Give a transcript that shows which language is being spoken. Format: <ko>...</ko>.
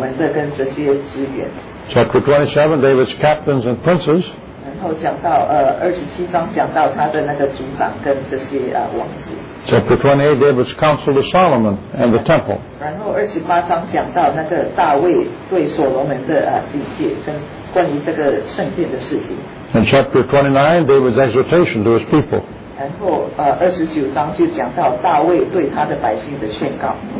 <zh>26章讲到大卫的这些守门的跟这些职员。</zh> <en>Chapter 27, David's captains and princes.</en> <zh>然后讲到27章讲到他的那个族长跟这些王子。</zh> <en>Chapter 28, David's counsel to Solomon and the temple.</en> <zh>然后28章讲到那个大卫对所罗门的境界跟关于这个圣殿的事情。</zh> <en>And chapter 29, David's exhortation to his people.</en> <zh>然后29章就讲到大卫对他的百姓的劝告。</zh>